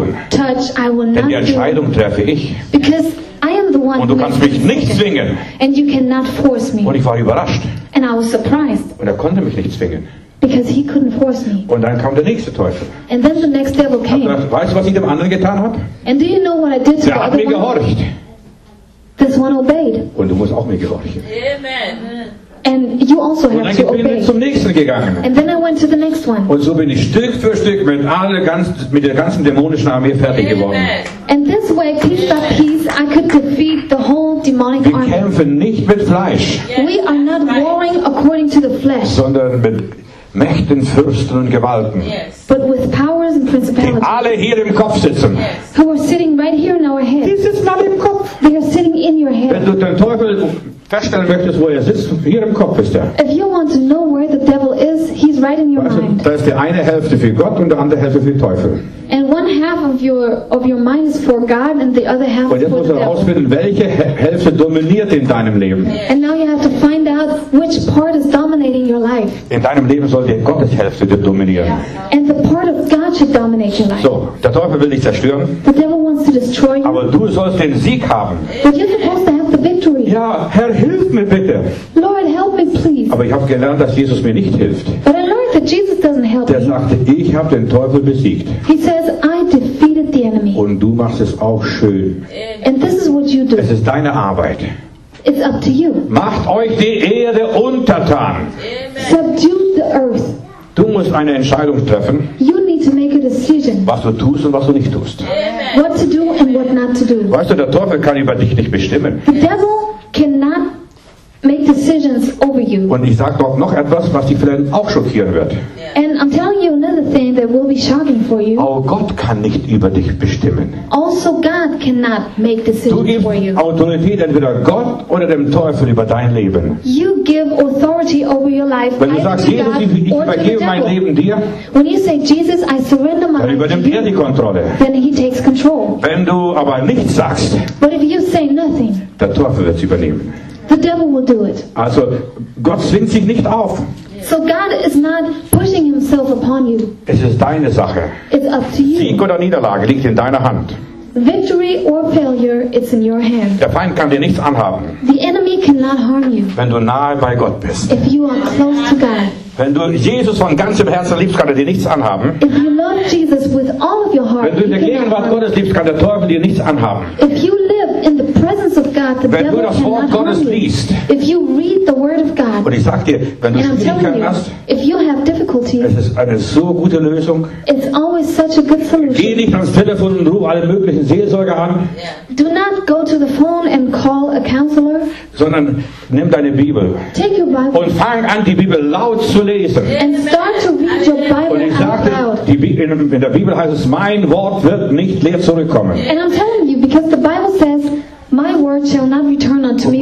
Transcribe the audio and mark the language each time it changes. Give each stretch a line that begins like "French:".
English: touch. I will not.
German: Denn die Entscheidung treffe ich.
English: Because I am the one.
German: Und du kannst mich nicht zwingen.
English: And you cannot force me.
German: Und ich war überrascht.
English: And I was surprised.
German: Und konnte mich nicht zwingen.
English: Because he couldn't force me.
German: Und dann kam der nächste Teufel.
English: And then the next devil came.
German: Also, weißt du, was ich dem anderen getan habe?
English: And do you know what I did to
German: der
English: the
German: hat mir gehorcht.
English: One? This one obeyed.
German: Und du musst auch mir gehorchen.
English: Amen. And you also have to obey.
German: Und dann bin ich zum nächsten gegangen.
English: And then I went to the next one.
German: Und so bin ich Stück für Stück mit der ganzen dämonischen Armee fertig geworden.
English: And this way, piece by piece, I could defeat the whole demonic army.
German: Wir kämpfen nicht mit Fleisch.
English: We are not warring according to the flesh.
German: Sondern mit Mächten, Fürsten und Gewalten.
English: Yes. But with powers and principalities.
German: Die alle hier im Kopf sitzen.
English: Who are sitting right here in our head.
German: Die sitzen alle im Kopf.
English: They are sitting in your head.
German: Wenn du den Teufel feststellen möchtest, wo er sitzt, hier im Kopf ist er.
English: If you want to know where the devil is, he's right in your
German: also,
English: mind.
German: Da ist die eine Hälfte für Gott und die andere Hälfte für den Teufel.
English: And one half of your mind is for God and the other half for the devil.
German: Und jetzt musst du herausfinden, welche Hälfte dominiert in deinem Leben.
English: And now you have to find out which part is dominating your life.
German: In deinem Leben soll die Gottes Hälfte dominieren.
English: Yeah. And the part of God should dominate your life.
German: So, der Teufel will dich zerstören.
English: The devil wants to destroy you.
German: Aber du sollst den Sieg haben.
English: But you're supposed to have the victory.
German: Ja, Herr, hilf mir bitte.
English: Lord, help me, please.
German: Aber ich habe gelernt, dass Jesus mir nicht hilft.
English: But I learned that Jesus doesn't help
German: der
English: me.
German: Der sagte, ich habe den Teufel besiegt.
English: He says, I defeated the enemy.
German: Und du machst es auch schön.
English: And this is what you do.
German: Es ist deine Arbeit.
English: It's up to you.
German: Macht euch die Erde untertan.
English: Subdue the earth.
German: Du musst eine Entscheidung treffen.
English: You need to make a decision.
German: Was du tust und was du nicht tust.
English: Amen. What to do and what not to do.
German: Weißt du, der Teufel kann über dich nicht bestimmen.
English: The devil cannot make decisions over you.
German: Und ich sage dort noch etwas, was dich vielleicht auch schockieren wird.
English: And I'm telling you another thing that will be shocking for you.
German: Auch Gott kann nicht über dich bestimmen.
English: Also God cannot make decisions for you.
German: Du gibst Autorität entweder Gott oder dem Teufel über dein Leben.
English: You give authority over your life.
German: Wenn du sagst, Jesus, ich übergebe mein Leben dir,
English: when you say, Jesus, I surrender my
German: dann übernimmt er die Kontrolle.
English: Then he takes control.
German: Wenn du aber nichts sagst,
English: but if you say nothing,
German: der Teufel wird es übernehmen.
English: The devil will do it.
German: Also, Gott zwingt sich nicht auf.
English: So God is not pushing himself upon you.
German: Es ist deine Sache.
English: It's up to you.
German: Sieg oder Niederlage liegt in deiner Hand.
English: Victory or failure is in your hand.
German: Der Feind kann dir nichts anhaben.
English: The enemy cannot harm you.
German: Wenn du nahe bei Gott bist.
English: If you are close to God.
German: Wenn du Jesus von ganzem Herzen liebst, kann er dir nichts anhaben.
English: If you love Jesus with all of your heart.
German: Wenn du in der Gegenwart Gottes liebst, kann der Teufel dir nichts anhaben.
English: If you live in the presence of God, the
German: wenn
English: devil
German: du das Wort
English: cannot
German: Gottes
English: harm you.
German: Liest.
English: If you read the word of God.
German: Und ich sag dir, wenn du Schwierigkeiten hast,
English: if you have difficulty,
German: es ist eine so gute Lösung.
English: It's always such a good solution.
German: Geh nicht ans Telefon und ruf alle möglichen Seelsorger an.
English: Yeah. Do not go to the phone and call a counselor.
German: Sondern nimm deine Bibel.
English: Take your Bible.
German: Und fang an, die Bibel laut zu lesen.
English: And start to read your Bible.
German: Und ich sagte, in der Bibel heißt es, mein Wort wird nicht leer zurückkommen.
English: And I'm telling you, because the Bible says, my word shall not return unto me